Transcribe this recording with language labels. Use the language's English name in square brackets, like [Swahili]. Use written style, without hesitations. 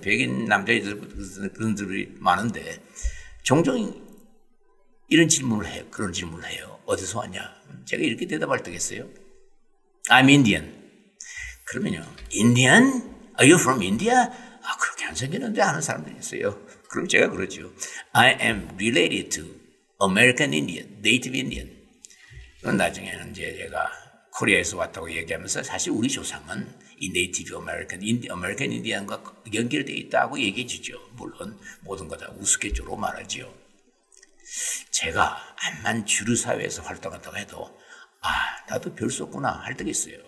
[Korean] 백인 남자들 그런 분들이 많은데 종종 이런 질문을 해요. 그런 질문을 해요. 어디서 왔냐? 제가 이렇게 대답할 때겠어요. [English] I'm Indian. [Korean] 그러면요. [English] Indian? Are you from India? [Korean] 아, 그렇게 안 생겼는데 아는 사람들이 있어요. 그럼 제가 그러죠. [English] I am related to American Indian, Native Indian. [Korean] 그럼 나중에는 이제 제가 코리아에서 왔다고 얘기하면서 사실 우리 조상은 이 Native American, American Indian과 연결되어 있다고 얘기해 주죠. 물론 모든 거 다 우스갯소리로 말하죠. 제가 암만 주류사회에서 활동한다고 해도 아 나도 별 수 없구나 할 때가 있어요.